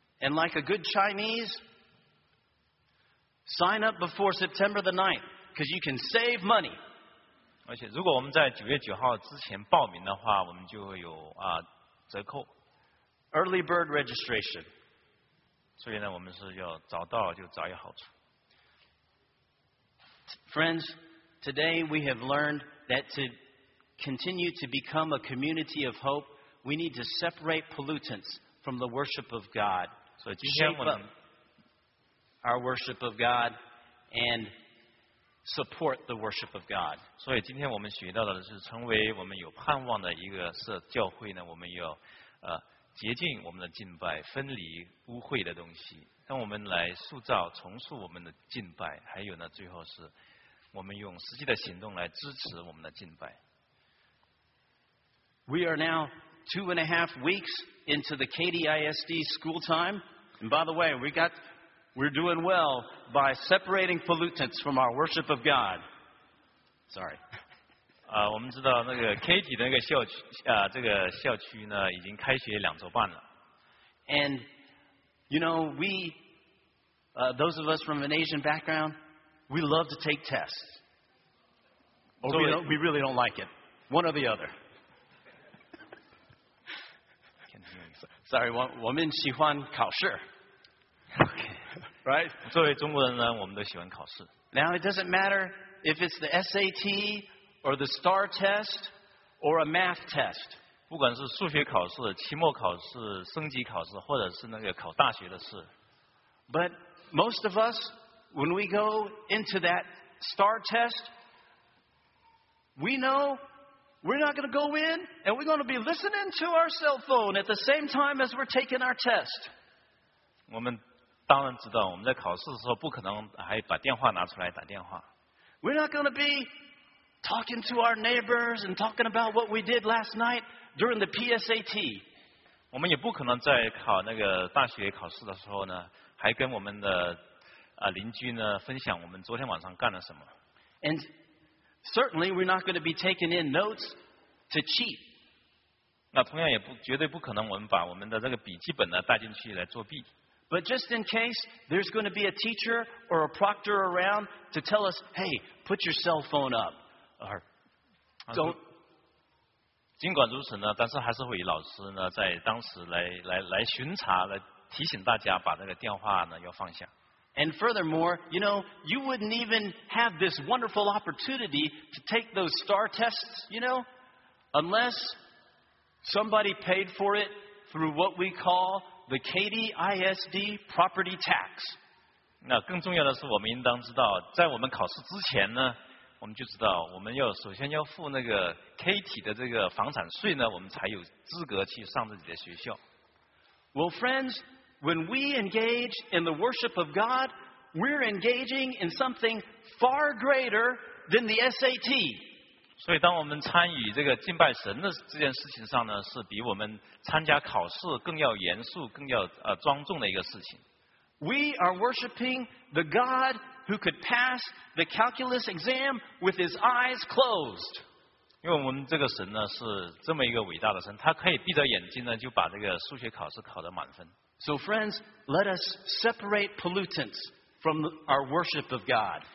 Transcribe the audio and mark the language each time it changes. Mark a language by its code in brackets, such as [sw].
[en] And like a good Chinese, sign up before September the 9th, because you can save money. [zh] 而且如果我们在九月九号之前报名的话，我们就会有折扣。 [en] Early bird registration. [zh] 所以呢，我们是要早到就早有好处。 [en] Friends, today we have learned that to continue to become a community of hope, we need to separate pollutants from the worship of God. [zh] 所以今天我们 [en] our worship of God and support the worship of God. [zh] 所以今天我们学到的是成为我们有盼望的一个社教会呢，我们要洁净我们的敬拜，分离污秽的东西，让我们来塑造、重塑我们的敬拜。还有呢，最后是我们用实际的行动来支持我们的敬拜。 [en] We are now 2.5 weeks into the KDISD school time. And by the way, we're doing well by separating pollutants from our worship of God. Sorry. [zh] 我们知道那个 KD 的那个校区啊，这个校区呢已经开学2周半了。 [en] And you know, we, those of us from an Asian background, we love to take tests. Or we really don't like it. One or the other. [zh] Sorry, 我们喜欢考试。 [en] Okay. Right? [zh] 作为中国人呢，我们都喜欢考试。 [en] Now, it doesn't matter if it's the SAT or the STAR test or a math test. [zh] 不管是数学考试、期末考试、升级考试，或者是那个考大学的试。 [en] But most of us, when we go into that STAR test, we know we're not going to go in, and we're going to be listening to our cell phone at the same time as we're taking our test. [zh] 我们当然知道，我们在考试的时候不可能还把电话拿出来打电话。 [en] We're not going to be talking to our neighbors and talking about what we did last night. During the PSAT, [zh] 我们也不可能在考那个大学考试的时候呢，还跟我们的邻居呢分享我们昨天晚上干了什么。 [en] And certainly we're not going to be taking in notes to cheat. [zh] 那同样也不绝对不可能，我们把我们的这个笔记本呢带进去来作弊。 [en] But just in case there's going to be a teacher or a proctor around to tell us, hey, put your cell phone up, or don't. [zh] 尽管如此呢，但是还是会有老师呢在当时来巡查，来提醒大家把那个电话呢要放下。 [en] And furthermore, you know, you wouldn't even have this wonderful opportunity to take those STAR tests, you know, unless somebody paid for it through what we call the KDISD property tax. [zh] 那更重要的是，我们应当知道，在我们考试之前呢。我们就知道，我们要首先要付那个 KT 的这个房产税呢，我们才有资格去上自己的学校。 [en] Well, friends, when we engage in the worship of God, we're engaging in something far greater than the SAT. [zh] 所以，当我们参与这个敬拜神的这件事情上呢，是比我们参加考试更要严肃、更要庄重的一个事情。 [en] We are worshiping the God. Who could pass the calculus exam with his eyes closed? Because we, this God, is such a great God. He can close his eyes and pass the math test with full marks. So, friends, let us separate pollutants from our worship of God.